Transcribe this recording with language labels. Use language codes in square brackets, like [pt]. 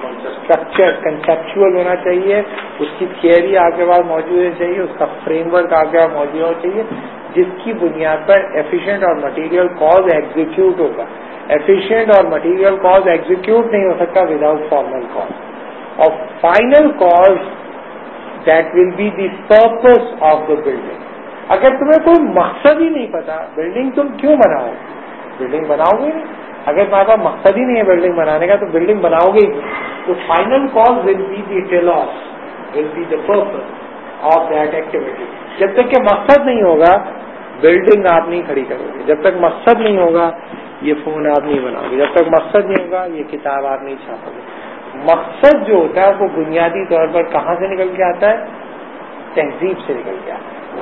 [ur] Structure conceptual ہونا چاہیے، اس کی تھیئری آپ کے پاس موجود ہونی چاہیے، اس کا فریم ورک آپ کے پاس موجود ہونا چاہیے جس کی بنیاد پر ایفیشنٹ اور مٹیریل کاز ایگزیکیوٹ ہوگا. ایفیشنٹ اور مٹیریل کاز ایگزیکیوٹ نہیں ہو سکتا [en] Without formal cause. اور final cause that will be the purpose of the building. [ur] اگر تمہیں کوئی مقصد ہی نہیں پتا بلڈنگ تم کیوں بناؤ، بلڈنگ بناؤ گے نہیں. اگر تمہارے پاس مقصد ہی نہیں ہے بلڈنگ بنانے کا تو بلڈنگ بناؤ گے ہی نہیں. [en] تو final cause will be the telos, will be the purpose of that activity. [ur] جب تک کہ مقصد نہیں ہوگا بلڈنگ آپ نہیں کھڑی کرو گے، جب تک مقصد نہیں ہوگا یہ فون آپ نہیں بناؤ گے، جب تک مقصد نہیں ہوگا یہ کتاب آپ نہیں چھاپو گے. مقصد جو ہوتا ہے وہ بنیادی طور پر کہاں سے نکل کے آتا ہے؟ تہذیب سے نکل کے آتا ہے.